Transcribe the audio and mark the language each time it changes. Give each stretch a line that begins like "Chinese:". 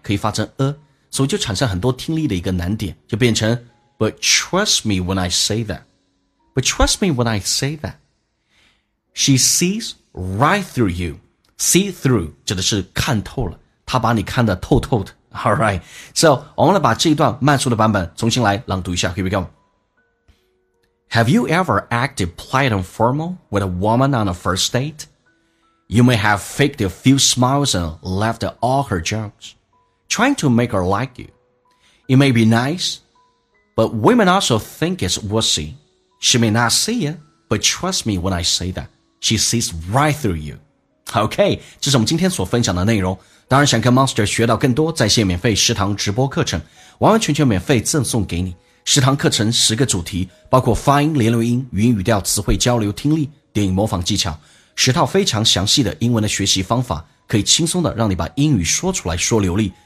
Chinese: 可以发成所以就产生很多听力的一个难点，就变成
English: But trust me when I say that. But trust me when I say that. She sees right through you. See through
Chinese: 指的是看透了，她把你看得透透的。
English: All right.
Chinese: So 我们来把这一段慢速的版本重新来朗读一下。
English: Here we go. Have you ever acted polite and formal with a woman on a first date? You may have faked a few smiles and laughed at all her jokes. Trying to make her like you. It may be nice, but women also think it's wussy. She may not see it, but trust me when I say that. She sees right through you.
Chinese: OK, 这是我们今天所分享的内容。当然想跟 Monster 学到更多在线免费食堂直播课程，完完全全免费赠送给你。食堂课程十个主题，包括发音、连读音、语音语调、词汇交流、听力、电影模仿技巧，十套非常详细的英文的学习方法，可以轻松的让你把英语说出来说流利。